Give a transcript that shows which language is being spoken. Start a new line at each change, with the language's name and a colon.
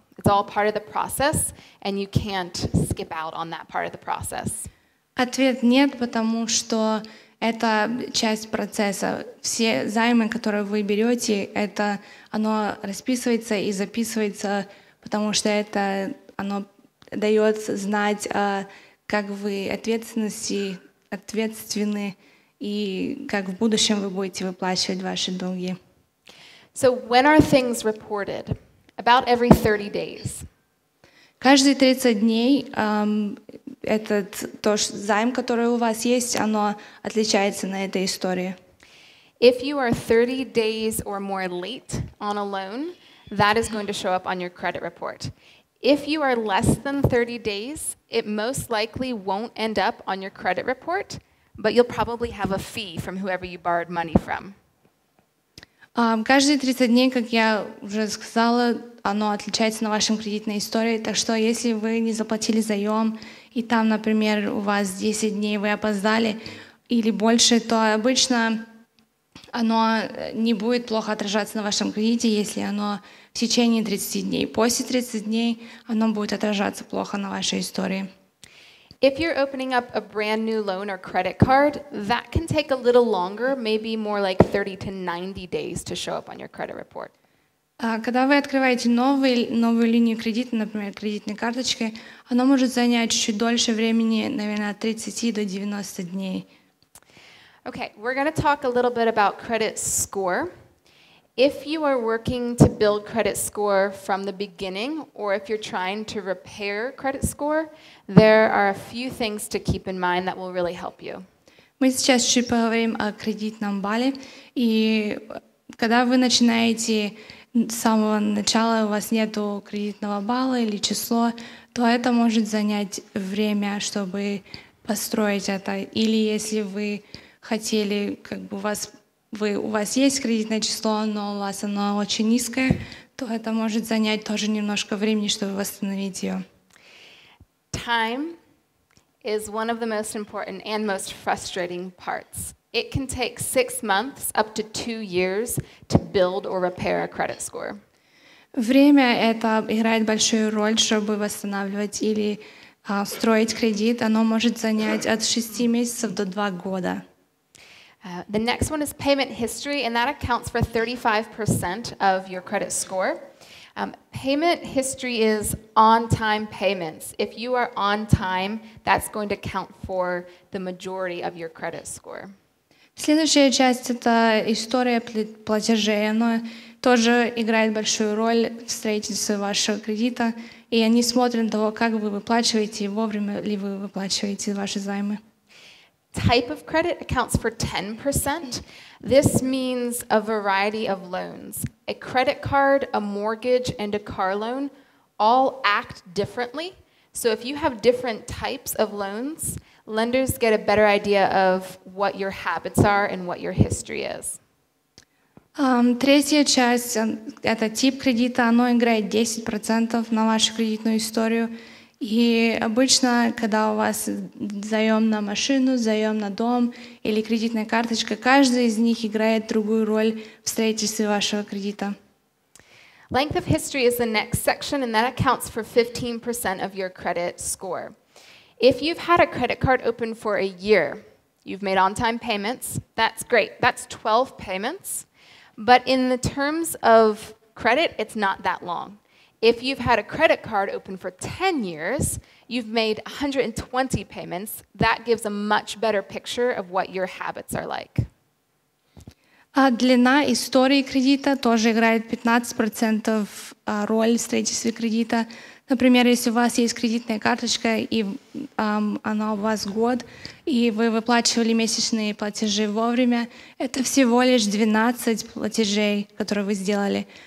English: It's all part of the process, and you can't skip out on that part of the process.
Russian: Ответ нет, потому что это часть процесса. Все займы, которые вы берете, это оно расписывается и записывается, потому что это оно дает знать, как вы ответственны и как в будущем вы будете выплачивать ваши долги.
English: So when are things reported? About every 30 days.
Russian: Каждые 30 дней этот то займ, который у вас есть, оно отличается на этой истории.
English: If you are 30 days or more late on a loan, that is going to show up on your credit report. If you are less than 30 days, it most likely won't end up on your credit report, but you'll probably have a fee from whoever you borrowed money from.
Russian: Каждые 30 дней, как я уже сказала, оно отличается на вашем кредитной истории. Так что если вы не заплатили заем, и там, например, у вас 10 дней, вы опоздали или больше, то обычно оно не будет плохо отражаться на вашем кредите, если оно в течение 30 дней. После 30 дней оно будет отражаться плохо на вашей истории.
English: If you're opening up a brand new loan or credit card, that can take a little longer, maybe more like 30 to 90 days to show up on your credit report.
Russian: Когда вы открываете новую линию кредита, например, кредитной карточки, оно может занять чуть дольше времени, наверное, от 30 до 90 дней.
English: Okay, we're going to talk a little bit about credit score. If you are working to build credit score from the beginning, or if you're trying to repair credit score, there are a few things to keep in mind that will really help you.
Russian: Мы сейчас чуть поговорим о кредитном балле, и когда вы начинаете с самого начала, у вас нету кредитного балла или число, то это может занять время, чтобы построить это. Или если вы хотели, как бы у вас есть кредитное число, но у вас оно очень низкое, то это может занять тоже немножко времени, чтобы восстановить ее.
English: Time is one of the most important and most frustrating parts. It can take 6 months, up to 2 years, to build or repair a credit score.
Russian: Время — это играет большую роль, чтобы восстанавливать или строить кредит. Оно может занять от 6 месяцев до 2 года.
English: The next one is payment history, and that accounts for 35% of your credit score. Payment history is on-time payments. If you are on time, that's going to count for the majority of your credit score.
Russian: Следующая часть — это история платежей. Она тоже играет большую роль в строительстве вашего кредита, и они смотрят на того, как вы выплачиваете, вовремя ли вы выплачиваете ваши займы.
English: Type of credit accounts for 10%. This means a variety of loans. A credit card, a mortgage, and a car loan all act differently. So if you have different types of loans, lenders get a better idea of what your habits are and what your history is.
Russian: Третья часть — это тип кредита. Оно играет 10% на вашу кредитную историю. И обычно, когда у вас заем на машину, заем на дом или кредитная карточка, каждый из них играет другую роль в строительстве вашего кредита.
English: Length of history is the next section, and that accounts for 15% of your credit score. If you've had a credit card open for a year, you've made on-time payments, that's great. That's 12 payments. But in the terms of credit, it's not that long. If you've had a credit card open for 10 years, you've made 120 payments. That gives a much better picture of what your habits are like.
Russian: А длина истории кредита тоже играет 15% роль в строительстве кредита. Например, если у вас есть кредитная карточка, и она у вас год, и вы выплачивали месячные платежи вовремя, это всего лишь 12 платежей, которые вы сделали.